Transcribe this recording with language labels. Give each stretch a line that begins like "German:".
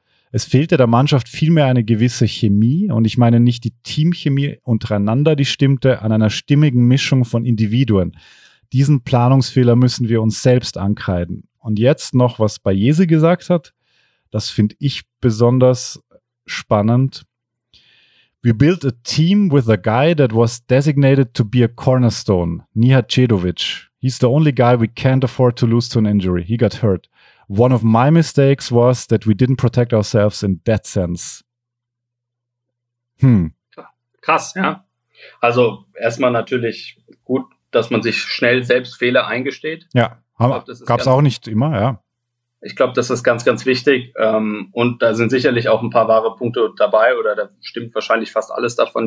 German: Es fehlte der Mannschaft vielmehr eine gewisse Chemie, und ich meine nicht die Teamchemie untereinander, die stimmte, an einer stimmigen Mischung von Individuen. Diesen Planungsfehler müssen wir uns selbst ankreiden. Und jetzt noch, was Baiese gesagt hat, das finde ich besonders spannend.
English: We built a team with a guy that was designated to be a cornerstone, Nihat Cedovic. He's the only guy we can't afford to lose to an injury. He got hurt. One of my mistakes was that we didn't protect ourselves in that sense.
German: Krass, ja. Also erstmal natürlich gut, dass man sich schnell selbst Fehler eingesteht. Ja, gab es auch nicht immer, ja. Ich glaube, das ist ganz, ganz wichtig. Und da sind sicherlich auch ein paar wahre Punkte dabei, oder da stimmt wahrscheinlich fast alles davon.